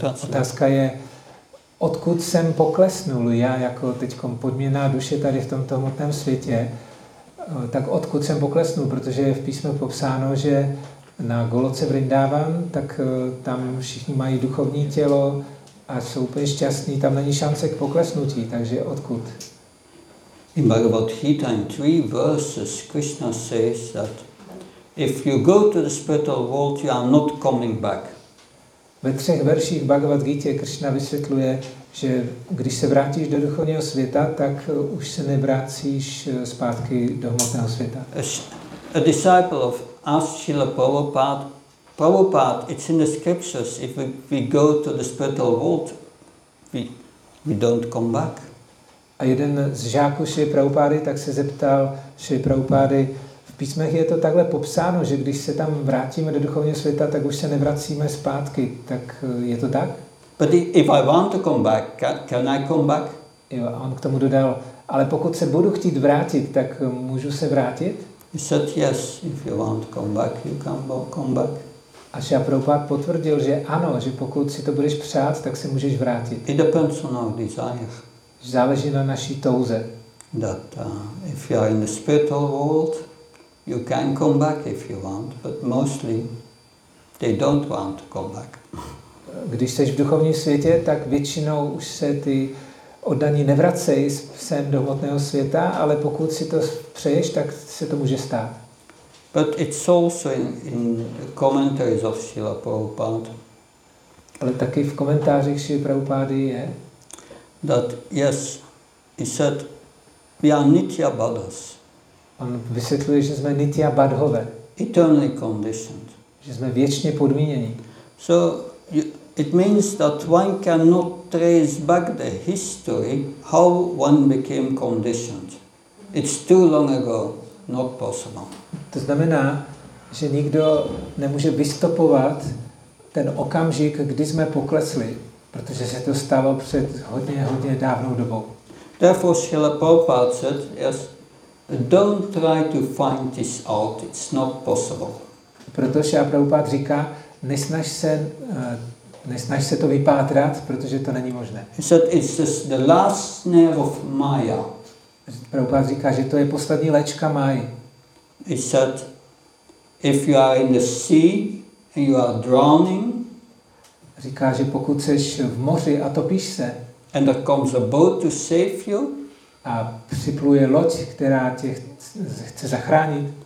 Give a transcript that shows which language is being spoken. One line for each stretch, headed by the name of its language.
Czech: Otázka je, odkud jsem poklesnul já jako teďkom podměná duše tady v tomto hmotném světě, tak odkud jsem poklesnul, protože je v písmu popsáno, že na Goloce Vrindavan, tak tam všichni mají duchovní tělo a jsou úplně šťastní, tam není šance k poklesnutí, takže odkud?
English: In Bhagavad Gita, in 3 verses, Krishna says that if you go to the spiritual world, you are not coming back.
Czech: Ve 3 verších Bhagavad Gita Krishna vysvětluje, že když se vrátíš do duchovního světa, tak už se nevrátíš zpátky do hmotného světa.
English: A disciple of asked Srila Prabhupada, it's in the scriptures, if we go to the spiritual world, we don't come back.
Czech: A jeden z žáků Srila Prabhupady tak se zeptal Srila Prabhupady, v písmech je to takhle popsáno, že když se tam vrátíme do duchovního světa, tak už se nevracíme zpátky, tak je to tak?
English: But if I want to come back, can I come back?
Czech: Jo, a on k tomu dodal, ale pokud se budu chtít vrátit, tak můžu se vrátit?
English: He said yes, if you want to come back, you can come back.
Czech: A Srila Prabhupada potvrdil, že ano, že pokud si to budeš přát, tak se můžeš vrátit.
English: It depends on our desire.
Czech: Záleží na naší touze.
English: That if you are in the spiritual world, you can come back if you want, but mostly they don't want to come back.
Czech: Když jsi v duchovním světě, tak většinou už se ty oddaní nevracejí sem do hmotného světa, ale pokud si to přeješ, tak se to může stát.
English: But it's also in commentaries of Srila Prabhupada.
Czech: Ale taky v komentářích Srila Prabhupády je,
English: that yes, he said, we are nitya badhas.
Czech: On vysvětluje, že jsme nitya badhové.
English: Eternally conditioned.
Czech: Že jsme věčně podmíněni.
English: So it means that one cannot trace back the history how one became conditioned. It's too long ago, not possible.
Czech: To znamená, že nikdo nemůže vystopovat ten okamžik, kdy jsme poklesli, protože se to stalo před hodně, hodně dávnou dobou.
English: Therefore Srila Prabhupada said, yes, don't try to find this out, it's not possible.
Czech: Protože Prabhupád říká, nesnaž se to vypátrat, protože to není možné.
English: It's the last snare of Maya.
Czech: Prabhupád říká, že to je poslední léčka Máji.
English: He said, if you are in the sea and you are drowning,
Czech: říká, že pokud seš v moři a topíš se,
English: and there comes a boat to save you,
Czech: a připluje loď, která tě chce zachránit,